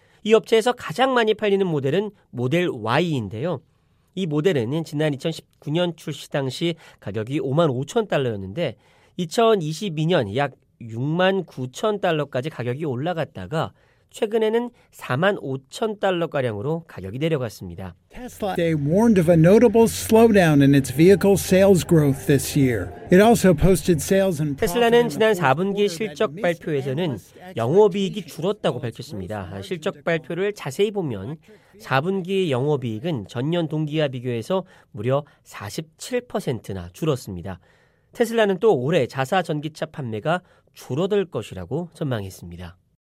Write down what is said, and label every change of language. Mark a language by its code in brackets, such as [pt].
[ko] 이 업체에서 가장 많이 팔리는 모델은 모델 Y인데요. 이 모델은 지난 2019년 출시 당시 가격이 5만 5천 달러였는데 2022년 약 6만 9천 달러까지 가격이 올라갔다가 최근에는 4만 5천 달러가량으로 가격이 내려갔습니다. [en] Tesla warned of a notable slowdown in its vehicle sales growth this year. It also posted sales and profit. [ko] 테슬라는 지난 4분기 실적 발표에서는 영업이익이 줄었다고 밝혔습니다. 실적 발표를 자세히 보면 4분기 영업이익은 전년 동기와 비교해서 무려 47%나 줄었습니다. 테슬라는 또 올해 자사 전기차 판매가 줄어들 것이라고 전망했습니다.